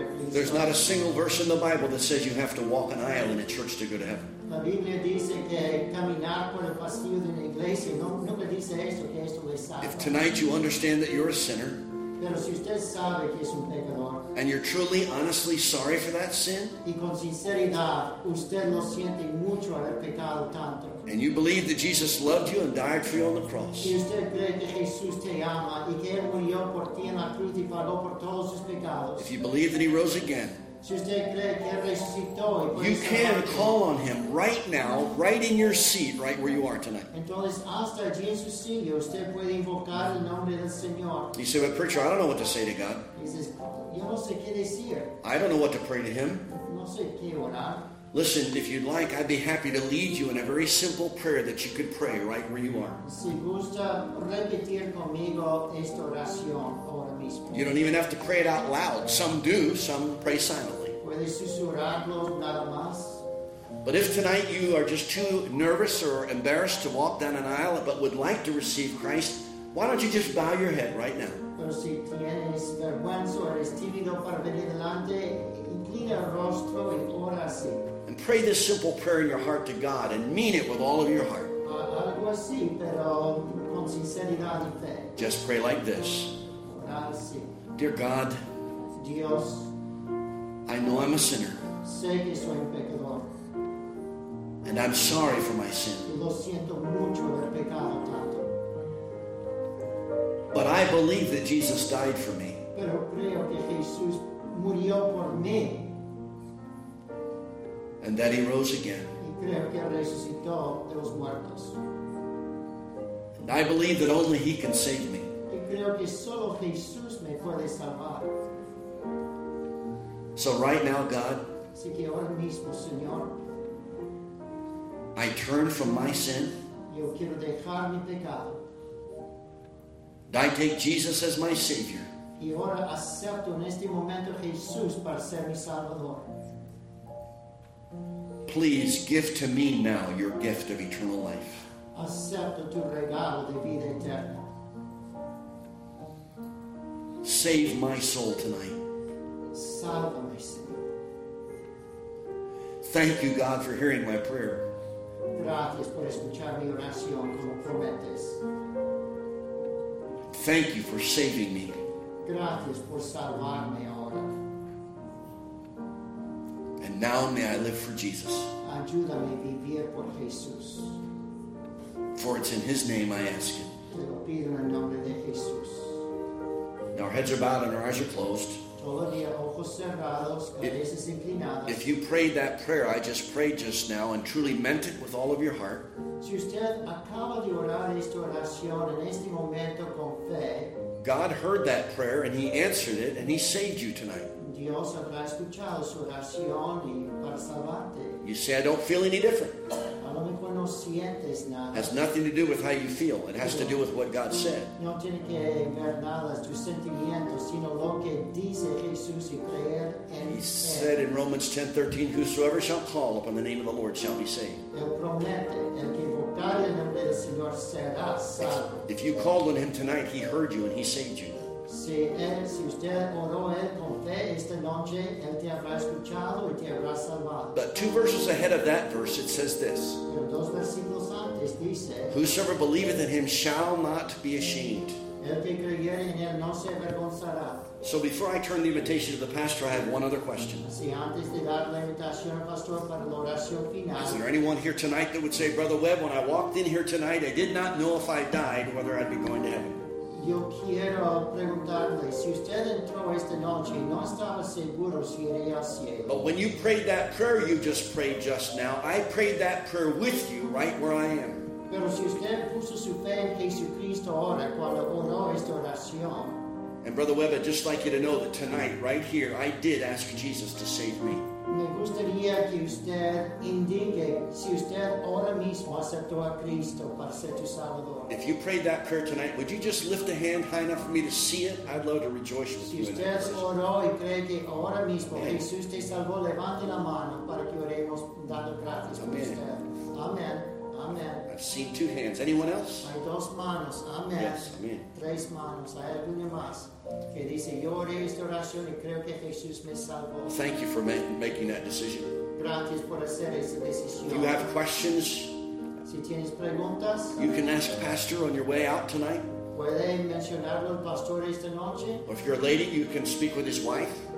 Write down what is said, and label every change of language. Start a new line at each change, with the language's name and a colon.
English: There's not a single verse in the Bible that says you have to walk an aisle in a church to go to heaven.
Spanish: La Biblia dice que caminar por el pasillo de una iglesia nunca dice eso, que eso le salva.
English: If tonight you understand that you're a sinner,
Spanish: pero si usted sabe que es un pecador,
English: and you're truly, honestly sorry for that sin,
Spanish: y con sinceridad usted lo siente mucho haber pecado tanto,
English: and you believe that Jesus loved you and died for you on the cross,
Spanish: y usted cree que Jesús te ama y que él murió por ti en la cruz y pagó por todos sus pecados,
English: if you believe that he rose again,
Spanish: si usted cree que resucitó,
English: you can call on him right now, right in your seat, right where you are tonight.
Spanish: Entonces, hasta allí en su silla, usted puede invocar el nombre del Señor.
English: You say, but preacher, I don't know what to say to God. He says,
Spanish: yo no sé qué decir.
English: I don't know what to pray to him.
Spanish: No sé qué orar.
English: Listen, if you'd like, I'd be happy to lead you in a very simple prayer that you could pray right where you are.
Spanish: Si gusta repetir conmigo esta oración ahora mismo.
English: You don't even have to pray it out loud. Some do, some pray silently.
Spanish: ¿Puedes susurrarlo nada más?
English: But if tonight you are just too nervous or embarrassed to walk down an aisle but would like to receive Christ, why don't you just bow your head right now?
Spanish: Pero si tienes vergüenza o eres tímido para venir adelante, inclina el rostro y ora así.
English: And pray this simple prayer in your heart to God and mean it with all of your heart.
Spanish: Algo así, pero con sinceridad y fe.
English: Just pray like this.
Spanish: Ora así.
English: Dear God,
Spanish: Dios,
English: I know I'm a sinner.
Spanish: Sé que soy un pecador.
English: And I'm sorry for my sin.
Spanish: Lo siento mucho haber pecado tanto.
English: But I believe that Jesus died for me.
Spanish: Pero creo que Jesús murió por mí.
English: And that he rose again.
Spanish: Y creo que resucitó de los muertos.
English: And I believe that only he can save me.
Spanish: Y creo que solo Jesús me puede salvar.
English: So right now, God,
Spanish: así que ahora mismo, Señor,
English: I turn from my sin.
Spanish: Yo quiero dejar mi pecado.
English: And I take Jesus as my Savior.
Spanish: Y ahora acepto en este momento Jesús para ser mi Salvador.
English: Please give to me now your gift of eternal life.
Spanish: Acepto tu regalo de vida eterna.
English: Save my soul tonight.
Spanish: Salva mi Señor.
English: Thank you, God, for hearing my prayer.
Spanish: Gracias por escuchar mi oración como prometes.
English: Thank you for saving me.
Spanish: Gracias por salvarme ahora.
English: And now may I live for Jesus.
Spanish: Ayúdame a vivir por Jesús.
English: For it's in his name I ask it.
Spanish: Te lo pido en el nombre de Jesús.
English: Now our heads are bowed and our eyes are closed.
Spanish: Todavía ojos cerrados, cabezas inclinadas.
English: If you prayed that prayer I just prayed just now and truly meant it with all of your heart,
Spanish: si usted acaba de orar esta oración en este momento con fe,
English: God heard that prayer and he answered it and he saved you tonight.
Spanish: Dios habrá escuchado su oración y para salvarte.
English: You say, I don't feel any different.
Spanish: A lo mejor no sientes nada.
English: Has nothing to do with how you feel. It has to do with what God said.
Spanish: No tiene que ver nada de tus sentimientos, sino lo que dice Jesús y creer en
English: él. He said in Romans 10:13, whosoever shall call upon the name of the Lord shall be saved.
Spanish: Él promete, el que invocare el nombre del Señor será salvo.
English: If you called on him tonight, he heard you and he saved you.
Spanish: Si usted oró él con fe esta noche, él te habrá escuchado y te habrá salvado.
English: But two verses ahead of that verse, it says this.
Spanish: Pero dos versículos antes dice,
English: whosoever believeth in him shall not be ashamed.
Spanish: El que creyere en él no se avergonzará.
English: So before I turn the invitation to the pastor, I have one other question.
Spanish: Si antes de dar la invitación al pastor para la oración final,
English: is there anyone here tonight that would say, Brother Webb, when I walked in here tonight, I did not know if I died, whether I'd be going to heaven?
Spanish: yo quiero preguntarle si usted entró esta noche y no estaba seguro si iría al cielo.
English: But when you prayed that prayer you just prayed just now, I prayed that prayer with you right where I am.
Spanish: Pero si usted puso su fe en Jesucristo ahora cuando oró esta oración.
English: And Brother Webb, I'd just like you to know that tonight, right here, I did ask Jesus to save me.
Spanish: Me gustaría que usted indique si usted ahora mismo aceptó a Cristo para ser tu salvador.
English: If you prayed that prayer tonight, would you just lift a hand high enough for me to see it? I'd love to rejoice with you.
Spanish: Si usted oró y cree que ahora mismo Jesús te salvó, levante la mano para que oremos dando gracias por usted.
English: Amen. Amen. I've seen two hands. Anyone else?
Spanish: Hay dos manos. Amen.
English: Yes, amen.
Spanish: Tres manos. Hay alguna más que dice, yo oré esta oración y creo que Jesús me salvó.
English: Thank you for making that decision.
Spanish: Gracias por hacer esa decisión.
English: If you have questions,
Spanish: si tienes preguntas,
English: you can ask pastor on your way out tonight.
Spanish: Puede mencionarlo al pastor esta noche.
English: Or if you're a lady, you can speak with his wife.